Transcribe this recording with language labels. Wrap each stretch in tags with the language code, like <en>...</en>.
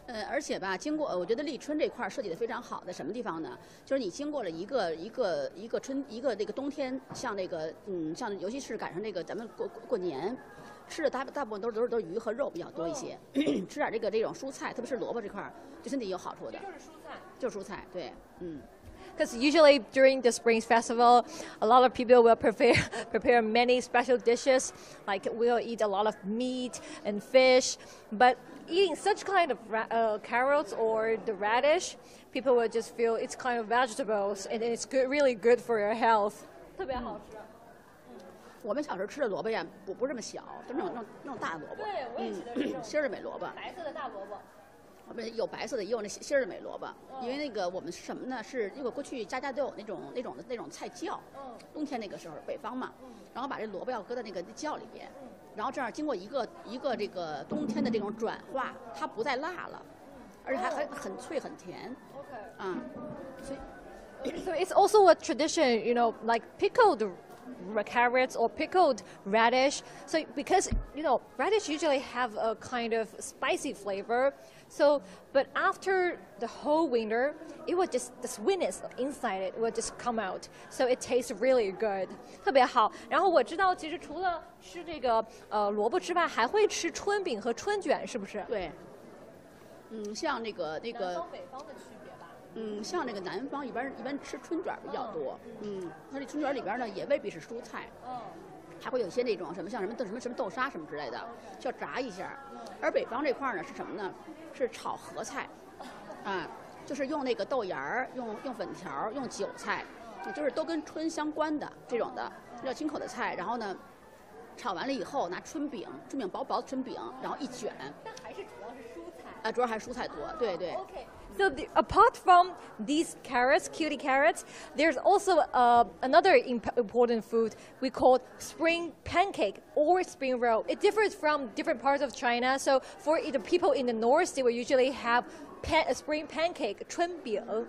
<zh>而且吧，经过我觉得立春这块设计的非常好的什么地方呢？就是你经过了一个那个冬天，像那个像尤其是赶上那个咱们过年，吃的大部分都是鱼和肉比较多一些，吃点这种蔬菜，特别是萝卜这块对身体有好处的。就是蔬菜，对，</zh> <en>Because usually during the spring festival, a lot of people will prepare many special dishes, like we'll eat a lot of meat and fish. But eating such kind of carrots or the radish, people will just feel it's kind of vegetables, and it's good, really good for your health.</en> <zh>特别好吃。我们小时候吃的萝卜呀，不这么小，就那种大萝卜。对，我也记得是心儿的美萝卜。白色的大萝卜。我们有白色的，也有那心儿的美萝卜。因为那个我们是什么呢？是因为过去家家都有那种菜窖。冬天那个时候，北方嘛。然后把这萝卜要搁在那个窖里边。然后这样经过一个这个冬天的这种转化，它不再辣了，而且还很脆很甜。</zh> <en>So it's also a tradition, you know, like pickled carrots or pickled radish. So because you know radish usually have a kind of spicy flavor. So, but after the whole winter, it will just, the sweetness inside it will just come out. So it tastes really good.</en> <zh>特别好。然后我知道其实除了吃这个萝卜之外，还会吃春饼和春卷，是不是？对。像那个。南方北方的区别吧。像那个南方一般吃春卷比较多。它这春卷里边呢也未必是蔬菜。还会有一些那种什么像什么豆什么什么豆沙什么之类的，叫炸一下。而北方这块呢是什么呢？是炒合菜，啊、就是用那个豆芽儿，用粉条，用韭菜，也就是都跟春相关的这种的比较清口的菜。然后呢，炒完了以后拿春饼薄薄的春饼，然后一卷。但还是主要是蔬菜。啊、主要还是蔬菜多，对对。</zh> <en>Okay. So the, apart from these carrots, cutie carrots, there's also another important food we call spring pancake or spring roll. It differs from different parts of China. So for the people in the north, they will usually have spring pancake, 春饼.</en>